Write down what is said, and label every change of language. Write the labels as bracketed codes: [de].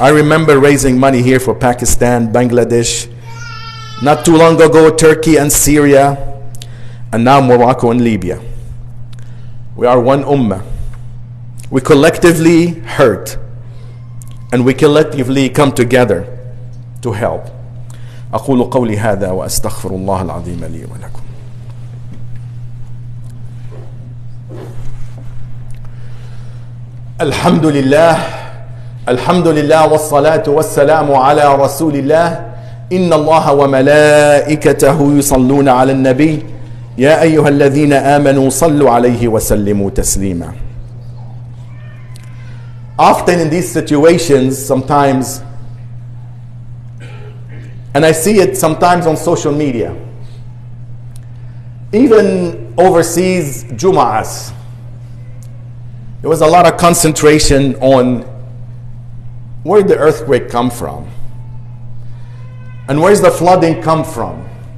[en] I remember raising money here for Pakistan, Bangladesh, not too long ago, Turkey and Syria, and now Morocco and Libya. We are one ummah. We collectively hurt, and we collectively come together to help. [ar] أقول قولي هذا وأستغفر الله العظيم لي ولكم. الحمد لله الحمد لله والصلاة والسلام على رسول الله. إن الله وملائكته يصلون على النبي يا أيها الذين آمنوا صلوا عليه وسلموا تسليما. [en] Often in these situations, sometimes, and I see it sometimes on social media, even overseas Jummahs, there was a lot of concentration on where the earthquake come from and where's the flooding come from.